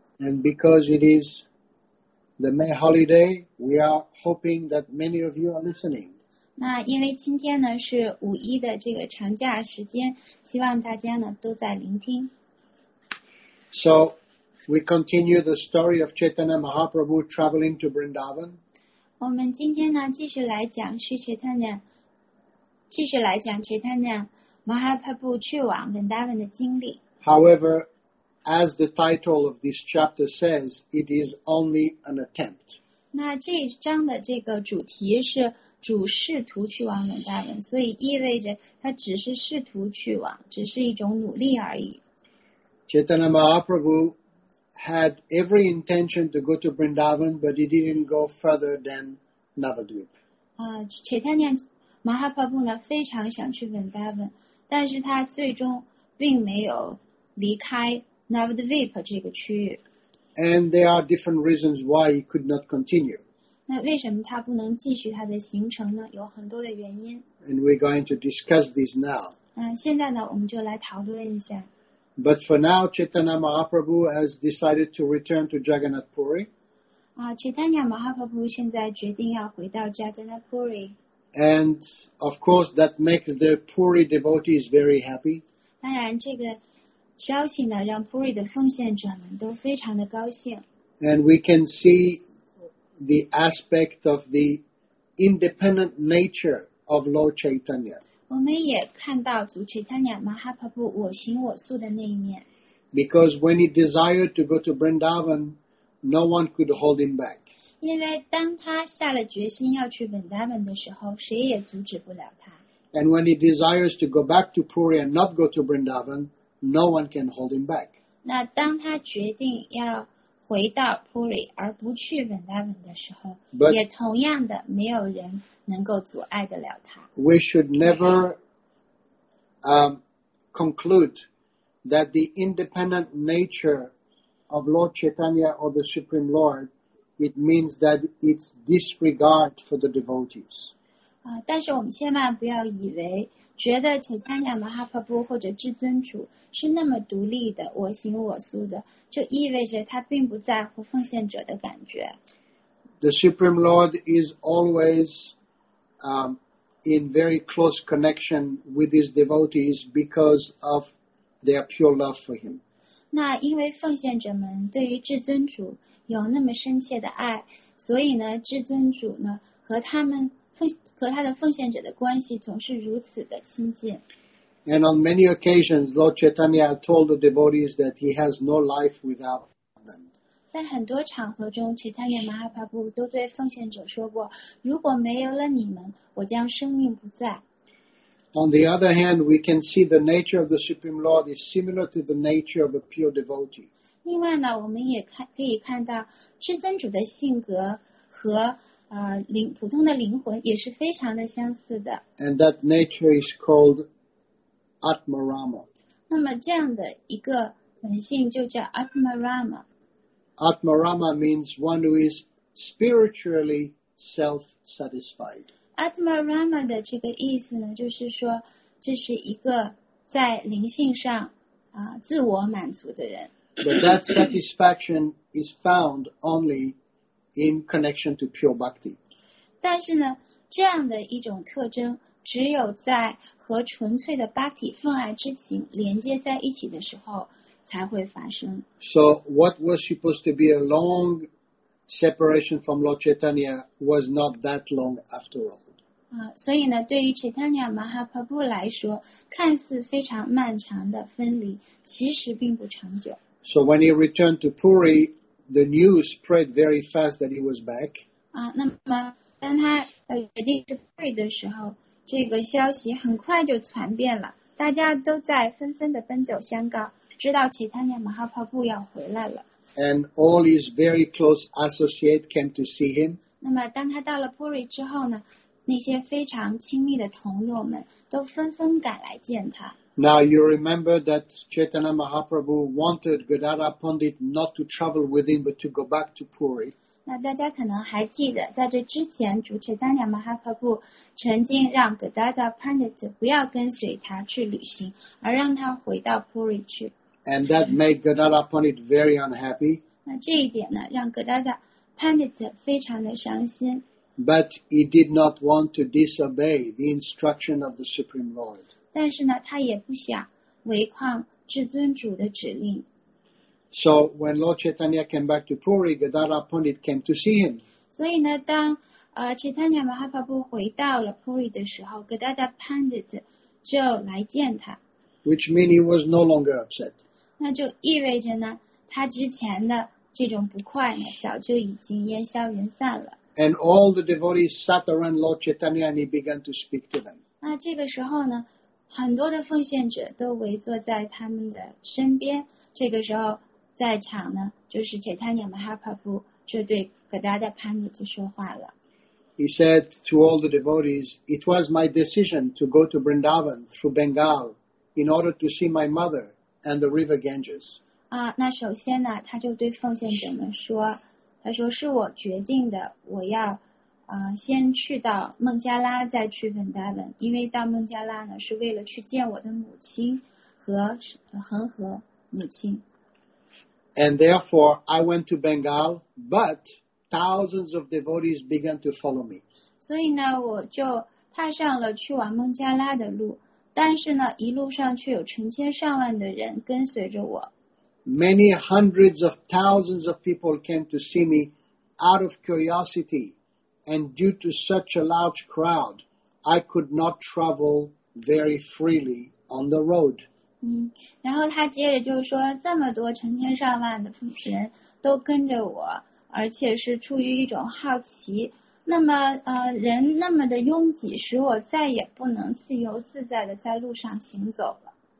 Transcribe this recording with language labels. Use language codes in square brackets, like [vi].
[en] And because it is the May holiday, we are hoping that many of you are listening. [zh] 那因为今天呢是五一的这个长假时间，希望大家呢都在聆听。 [en] So. We continue the story of Chaitanya Mahaprabhu traveling to Vrindavan. [zh] 我们今天呢继续来讲是 Chaitanya 继续来讲 Chaitanya Mahaprabhu 去往 Vrindavan 的经历。 [en] However, as the title of this chapter says, it is only an attempt. [zh] 那这一章的这个主题是主试图去往 Vrindavan, 所以意味着他只是试图去往，只是一种努力而已。 [en] Chaitanya Mahaprabhu. Had every intention to go to Vrindavan, but he didn't go further than Navadvip. [zh] Chaitanya Mahaprabhu 呢非常想去 Vrindavan, 但是他最终并没有离开 Navadvip 这个区域。 [en] And there are different reasons why he could not continue. [zh] 那为什么他不能继续他的行程呢？有很多的原因。 [en] And we're going to discuss these now. [zh] 现在呢，我们就来讨论一下。 [en] But for now, Chaitanya Mahaprabhu has decided to return to Jagannath Puri. [zh] Chaitanya Mahaprabhu 现在决定要回到 Jagannath Puri. [en] And of course, that makes the Puri devotees very happy. [zh] 当然，这个消息呢，让 Puri 的奉献者们都非常的高兴。 [en] And we can see the aspect of the independent nature of Lord Chaitanya. [zh] 我们也看到主 Chaitanya Mahaprabhu 我行我素的那一面。 [en] Because when he desired to go to Vrindavan, no one could hold him back. [zh] 因为当他下了决心要去 Vrindavan 的时候，谁也阻止不了他。 [en] And when he desires to go back to Puri and not go to Vrindavan, no one can hold him back. [zh] 那当他决定要回到 Puri 而不去 Vrindavan 的时候， [en] But, [zh] 也同样的没有人能够阻碍得了他。 [en] We should never conclude that the independent nature of Lord Chaitanya or the Supreme Lord, it means that it's disregard for the devotees. [zh] 但是我们千万不要以为觉得 Chaitanya Mahaprabhu 或者至尊主是那么独立的，我行我素的，就意味着他并不在乎奉献者的感觉。 [en] The Supreme Lord is always in very close connection with his devotees because of their pure love for him. [zh] 那因为奉献者们对于至尊主有那么深切的爱，所以呢，至尊主呢和他们。和他的奉献者的关系总是如此的亲近。 [en] And on many occasions, Lord Chaitanya told the devotees that he has no life without them. [zh] 在很多场合中，其他的马哈帕布都对奉献者说过，如果没有了你们，我将生命不在。 [en] On the other hand, we can see the nature of the Supreme Lord is similar to the nature of a pure devotee. [zh] 另外呢，我们也可以看到至尊主的性格和普通的灵魂也是非常的相似的。 [en] And that nature is called Atmarama. [zh] 那么这样的一个本性就叫 Atmarama。 [en] Atmarama means one who is spiritually self-satisfied. [zh] Atmarama 的这个意思呢，就是说这是一个在灵性上自我满足的人。 [en] But that satisfaction is found only in connection to pure bhakti. [zh] 但是呢，这样的一种特征只有在和纯粹的 bhakti 奉爱之情连接在一起的时候。才会发生。 [en] So what was supposed to be a long separation from Lord Chaitanya was not that long after all. [zh] 所以呢，对于 Chaitanya Mahaprabhu 来说，看似非常漫长的分离，其实并不长久。 [en] So when he returned to Puri, the news spread very fast that he was back. [zh] 那么当他决定去 Puri 的时候，这个消息很快就传遍了，大家都在纷纷的奔走相告。知道其他的马哈帕布要回来了。 [en] And all his very close associates came to see him. [zh] 那么当他到了 Puri 之后呢，那些非常亲密的同僚们都纷纷赶来见他。 [en] Now you remember that Chaitanya Mahaprabhu wanted Gadara Pandit not to travel with him but to go back to Puri. [zh] 那大家可能还记得，在这之前，主 Chaitanya Mahaprabhu 曾经让 Gadara Pandit 不要跟随他去旅行，而让他回到 Puri 去。 [en] And that made Gadara Pandit very unhappy. [zh] 那这一点呢，让 Gadara Pandit 非常的伤心。 [en] But he did not want to disobey the instruction of the Supreme Lord. [zh] 但是呢，他也不想违抗至尊主的指令。 [en] So when Lord Chaitanya came back to Puri, Gadara Pandit came to see him. [zh] 所以呢，当Chaitanya Mahaprabhu 回到了 Puri 的时候 ，Gadara Pandit 就来见他。 [en] Which means he was no longer upset. [zh] 那就意味着呢，他之前的这种不快呢，早就已经烟消云散了。 [en] And all the devotees sat around Lord Chaitanya, and he began to speak to them. [zh] 那这个时候呢，很多的奉献者都围坐在他们的身边。这个时候。在场呢，就是 Chaitanya Mahaprabhu 就对 Gadara Pandit 说话了。 [en] He said to all the devotees, "It was my decision to go to Vrindavan through Bengal in order to see my mother and the river Ganges." [zh] 那首先呢，他就对奉献者们说，他说是我决定的，我要先去到孟加拉，再去 Vrindavan， 因为到孟加拉呢，是为了去见我的母亲和恒河母亲。 [en] And therefore, I went to Bengal, but thousands of devotees began to follow me. [zh] 所以呢，我就踏上了去往孟加拉的路，但是呢，一路上却有成千上万的人跟随着我。 [en] Many hundreds of thousands of people came to see me out of curiosity, and due to such a large crowd, I could not travel very freely on the road. [zh] 然后他接着就说，这么多成千上万的人都跟着我，而且是出于一种好奇，那么人那么的拥挤，使我再也不能自由自在的在路上行走了。